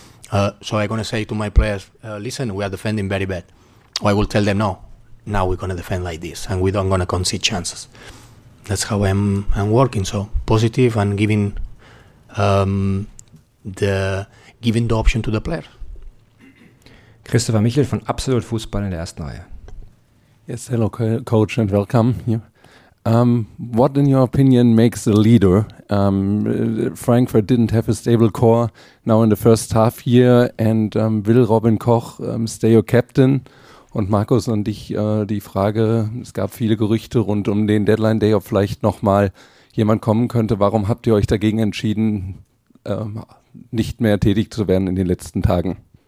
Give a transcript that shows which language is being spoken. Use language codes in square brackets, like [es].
[en] So I'm going to say to my players, listen, we are defending very bad. Or I will tell them, no, now we're going to defend like this, and we don't going to concede chances. That's how I'm working. So positive and giving the option to the player. [de] Christopher Michel from Absolut Fußball in der ersten Reihe. [en] Yes, hello, coach, and welcome. What, in your opinion, makes a leader? Frankfurt didn't have a stable core now in the first half year, and will Robin Koch stay your captain? [de] Und Markus, an dich die Frage, es gab viele Gerüchte rund um den Deadline Day, ob vielleicht nochmal jemand kommen könnte. Warum habt ihr euch dagegen entschieden, nicht mehr tätig zu werden in den letzten Tagen?